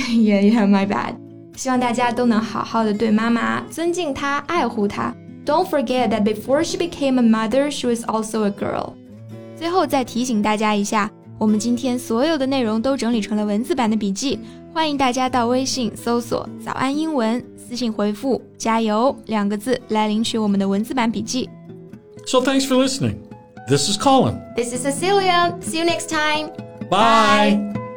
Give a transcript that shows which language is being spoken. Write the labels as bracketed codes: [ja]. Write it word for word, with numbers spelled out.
[en] Yeah, yeah, my bad. [zh] 希望大家都能好好的对妈妈尊敬她、爱护她。 [en] Don't forget that before she became a mother, she was also a girl. [zh] 最后再提醒大家一下，我们今天所有的内容都整理成了文字版的笔记，欢迎大家到微信搜索“早安英文”，私信回复“加油”两个字来领取我们的文字版笔记。 [en] So thanks for listening. This is Colin. This is Cecilia. See you next time. Bye. Bye.